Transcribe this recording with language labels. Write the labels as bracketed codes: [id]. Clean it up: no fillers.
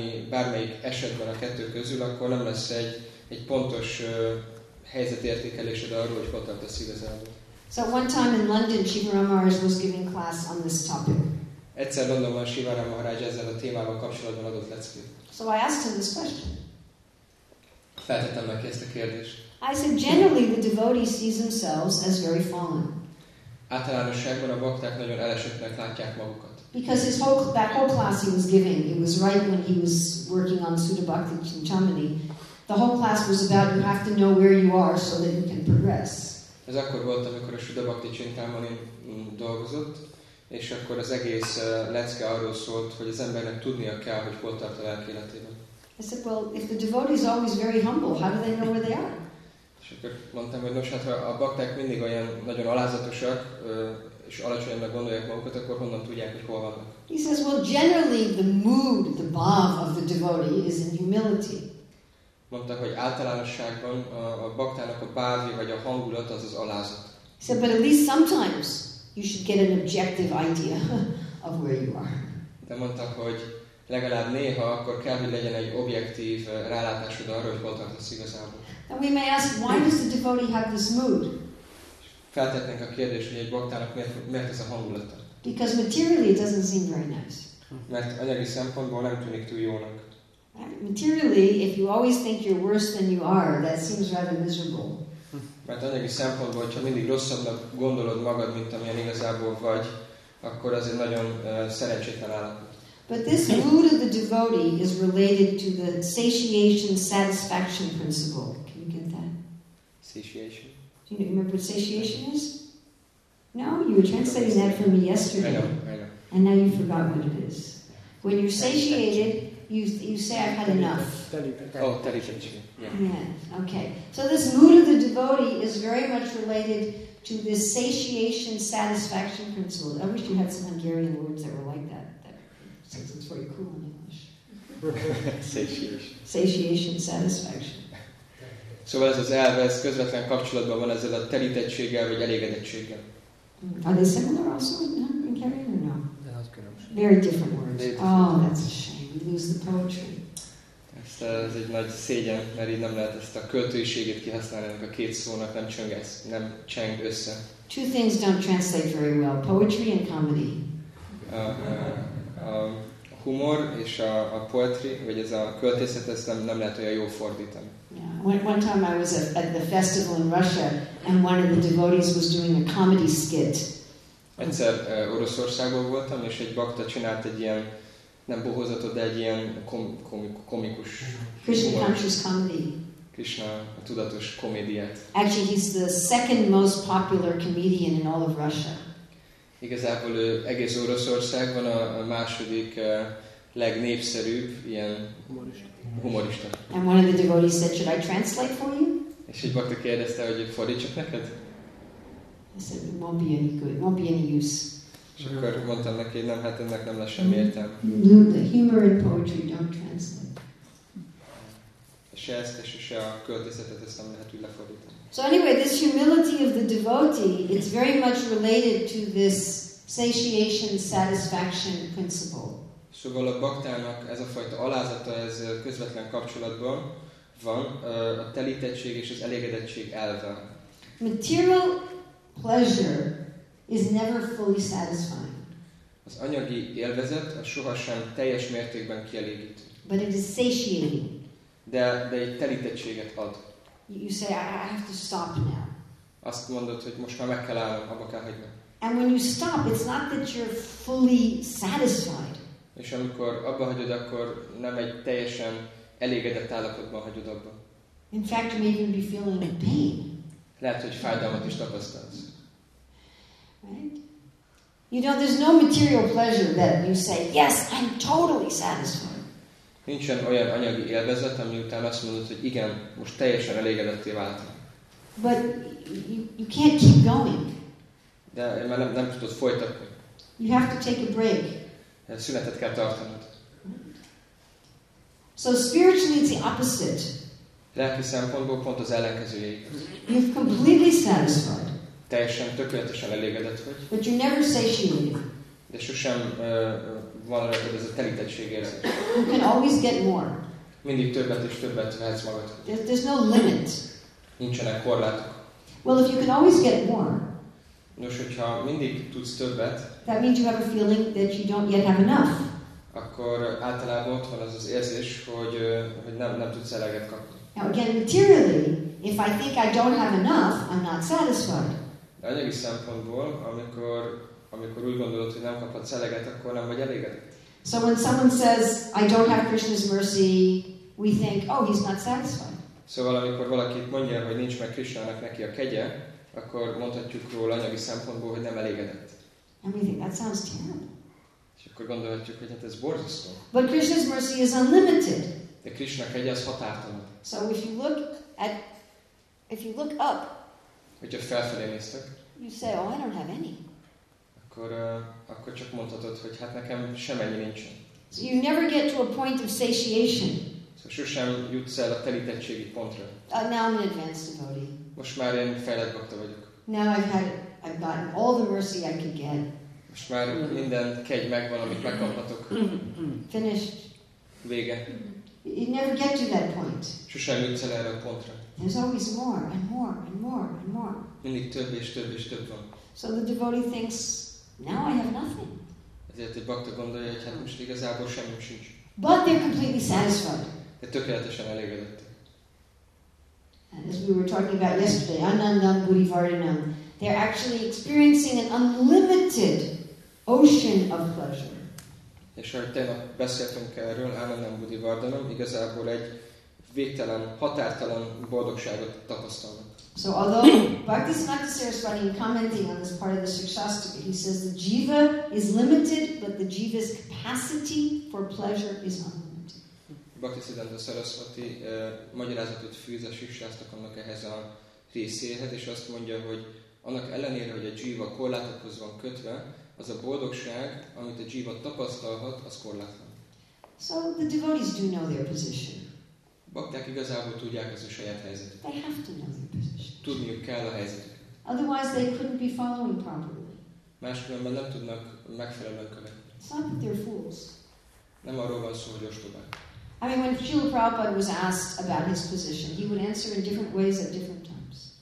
[hu] Bármelyik esetben a kettő közül, akkor nem lesz egy pontos helyzetértékelésed arról, hogy hol tartasz igazából. [en] So one time in London, Shivaram Maharaj was giving class on this topic. [hu] Egyszer Londonban Shivaram Maharaj ezzel a témával kapcsolatban adott leckét. [en] So I asked him this question. [hu] Feltettem neki ezt a kérdést. [en] I said, generally the devotee sees themselves as very fallen. [hu] Általánosságban a bakták nagyon elesettnek látják magukat. [en] Because his whole class he was giving, it was right when he was working on Sutta Bhakti Chintamani. The whole class was about you have to know where you are so that you can progress. [hu] Ez akkor volt, amikor a Sutta Bhakti Chintamani dolgozott, és akkor az egész lecke arról szólt, hogy az embernek tudnia kell, hogy hol tart a lelki életében. [en] I said, well, if the devotee is always very humble, how do they know where they are? [hu] És akkor mondtam, hogy nos, hát ha a bakták mindig olyan nagyon alázatosak, és alacsonyabbnak gondolják magukat, akkor honnan tudják, hogy hol vannak? [en] He says, well, generally the mood, the bhav of the devotee is in humility. [hu] Mondta, hogy általánosságban a baktának a bhavi, vagy a hangulat, az az alázat. [en] He said, but at least sometimes you should get an objective idea of where you are. [hu] De mondta, hogy legalább néha akkor kell, hogy legyen egy objektív rálátásod arra, hogy hol tartasz igazából. [en] And we may ask, why does the devotee have this mood? [hu] Feltetnénk a kérdést, hogy egy baktának miért ez a hangulata? [en] Because materially it doesn't seem very nice. [hu] Mert anyagi szempontból nem tűnik túl jónak. [en] Materially, if you always think you're worse than you are, that seems rather miserable. [hu] Mert anyagi szempontból, hogyha mindig rosszabbnak gondolod magad, mint amilyen igazából vagy, akkor az egy nagyon szerencsétlen állapot. [en] But this mood of the devotee is related to the satiation satisfaction principle. Can you get that? Satiation. Do you remember what satiation is? No, you were translating that for me yesterday. I know. And now you forgot what it is. When you're satiated, you say, I've had enough. Oh, satiation. Yeah. Okay. So this mood of the devotee is very much related to this satiation satisfaction principle. I wish you had some Hungarian words that were like that. It's very cool in English. Satiation. Satiation, satisfaction. [hu] Szóval ez az elve, ez közvetlen kapcsolatban van ezzel a telítettséggel, vagy elégedettséggel. [en] Are they similar also in Hungarian or no? Very different words. Oh, that's a shame. We lose the poetry. [hu] Ez egy nagy szégyen, mert így nem lehet ezt a költőiséget kihasználni ennek a két szónak, nem cseng össze. [en] Two things don't translate very well. Poetry and comedy. [hu] A humor és a poetry, vagy ez a költészet, ezt nem lehet olyan jól fordítani. [en] Yeah. One time I was at the festival in Russia, and one of the devotees was doing a comedy skit. [hu] Egyszer Oroszországban voltam, és egy bakta csinált egy ilyen, nem bohózatot, de egy ilyen komikus [en] Krishna conscious comedy. [hu] Krishna tudatos komédiát. [en] Actually, he's the second most popular comedian in all of Russia. [hu] Igazából ő egész Oroszországban a második legnépszerűbb ilyen humorista. [en] And one of the devotees said, should I translate for you? [hu] És egy bakta kérdezte, hogy fordítsak neked? [en] I said, it won't be any good, won't be any use. [hu] És akkor mondtam neki, nem, hát ennek nem lesz semmi értelme. [en] The humor and poetry don't translate. [hu] Se ezt, és se a költészetet, ezt nem lehet úgy lefordítani. [en] So anyway, this humility of the devotee, it's very much related to this satiation satisfaction principle. [hu] Szóval a baktának ez a fajta alázata, ez közvetlen kapcsolatban van, a telítettség és az elégedettség elve. [en] Material pleasure is never fully satisfying. [hu] Az anyagi élvezet az sohasem teljes mértékben kielégítő. [en] But it is satiating. [hu] De egy telítettséget ad. [en] You say, I have to stop now. [hu] Azt mondod, hogy most már meg kell állnom, abba kell hagynom. [en] And when you stop, it's not that you're fully satisfied. [hu] És amikor abba hagyod, akkor nem egy teljesen elégedett állapotban hagyod abba. [en] In fact, you may even be feeling a pain. [hu] Lehet, hogy fájdalmat is tapasztalsz. [en] Right? You know, there's no material pleasure that you say, yes, I'm totally satisfied. [hu] Nincsen olyan anyagi élvezet, ami után azt mondod, hogy igen, most teljesen elégedetté váltam. [en] But you can't keep going. [hu] De már nem tudod folytatni. [en] You have to take a break. [hu] Szünetet kell tartanod. [en] So spiritually it's the opposite. [hu] Lelki szempontból pont az ellenkezője. [en] You're completely satisfied. [hu] Teljesen, tökéletesen elégedett vagy. [en] But you never satiated. [hu] De sosem van rajtad ez a telítettség érzés. [en] You can always get more. [hu] Mindig többet és többet vehetsz magad. [en] There's no limit. [hu] Nincsenek korlátok. [en] Well, if you can always get more. [hu] Nos, hogyha mindig tudsz többet. [en] That means you have a feeling that you don't yet have enough. [hu] Akkor általában ott van az érzés, hogy nem tudsz eleget kapni. [en] Now again, materially, if I think I don't have enough, I'm not satisfied. [hu] De anyagi szempontból, amikor úgy gondolod, hogy nem kaphatsz eleget, akkor nem vagy elégedett. [en] So when someone says, I don't have Krishna's mercy, we think, oh, he's not satisfied. [hu] Szóval amikor valaki mondja, hogy nincs meg Krishnának neki a kegye, akkor mondhatjuk róla anyagi szempontból, hogy nem elégedett. [en] And we think, that sounds terrible. [hu] És akkor gondolhatjuk, hogy hát ez borzasztó. [en] But Krishna's mercy is unlimited. [hu] De Krishna kegye az határtalan. [en] So if you look at If you look up, [hu] hogyha felfelé néztek, [en] you say, oh, I don't have any. [hu] Akkor csak mondhatod, hogy hát nekem semennyi nincsen. [en] So you never get to a point of satiation. [hu] So sosem jutsz el a telítettségi pontra. [en] Now I'm an advanced devotee. [hu] Most már én fejlett bhakta vagyok. [en] Now I've gotten all the mercy I can get. [hu] Most már minden kegy megvan, amit megkaphatok. [en] Finished. [hu] Vége. [en] You never get to that point. [hu] Sosem jutsz el erre a pontra. [en] There's always more and more and more and more. [hu] Mindig több és több és több van. [en] So the devotee thinks, now I have nothing. [hu] Ezért a bhakta gondolja, hogy hát most igazából semmi sincs. [en] But they're completely satisfied. [hu] De tökéletesen elégedettek. [en] And as we were talking about yesterday, Anandam Buddhivardhanam, they're actually experiencing an unlimited ocean of pleasure. [hu] És ahogy tegnap beszéltünk erről, Anandam Buddhivardhanam, igazából egy végtelen, határtalan boldogságot tapasztalnak. [en] So although Bhaktisiddhanta Saraswati is commenting on this part of the Shikshastaka, he says the jiva is limited, but the jiva's capacity for pleasure is unlimited. [hu] Bhaktisiddhanta Saraswati magyarázatot fűz a Shikshastakának ehhez a részéhez, és azt mondja, hogy annak ellenére, hogy a jiva korlátokhoz van kötve, az a boldogság, amit a jiva tapasztalhat, az korlátlan. [en] So the devotees do know their position. [hu] Bakták igazából tudják az ő saját helyzetet. [en] They have to know their position. [hu] Tudniuk kell a helyzetet. [en] Otherwise they couldn't be following properly. [hu] Máskülönben nem tudnak megfelelően követni. [en] It's not that they're fools. [hu] Nem arról van szó, hogy ostobák. [en] I mean, when Srila Prabhupada was asked about his position, he would answer in different ways at different times.